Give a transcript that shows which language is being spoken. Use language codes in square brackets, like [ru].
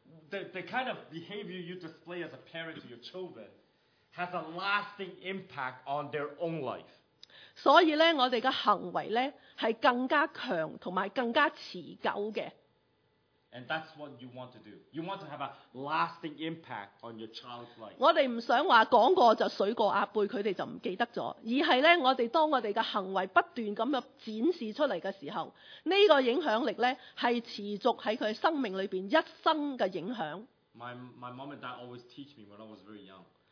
[en] the kind of behavior you display as a parent to your children has a lasting impact on their own life. [yue] 所以咧，我哋嘅行为咧系更加强同埋更加持久嘅。 [en] And that's what you want to do. You want to have a lasting impact on your child's life. [yue] 我哋唔想话讲过就水过鸭背，佢哋就唔记得咗。而系咧，我哋当我哋嘅行为不断咁样展示出嚟嘅时候，呢、这个影响力咧系持续喺佢生命里边一生嘅影响。 [en] My mom and dad always teach me when I was very young.